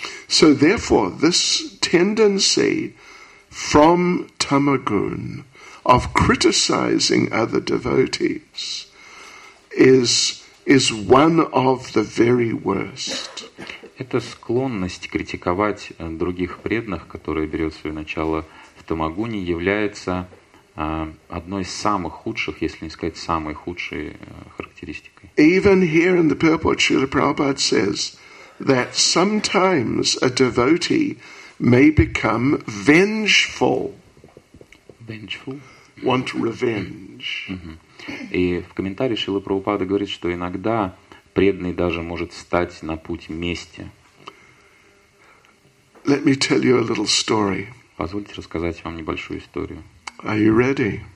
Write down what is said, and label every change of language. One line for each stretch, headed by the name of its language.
English: So therefore, this tendency from tamagun of criticizing other devotees is one of the very worst.
Russian: Это склонность критиковать других преданных, которая берет свое начало в тамагуне, является одной из самых худших, если не сказать самой худшей характеристикой.
English: Even here in the purport, Srila Prabhupada says that sometimes a devotee may become vengeful. Vengeful? Want revenge.
Russian: И в комментарии Шрила Прабхупада говорит, что иногда преданный даже может стать на путь мести.
English: Let me tell you a little story.
Russian: Позвольте рассказать вам небольшую историю.
English: Are you ready?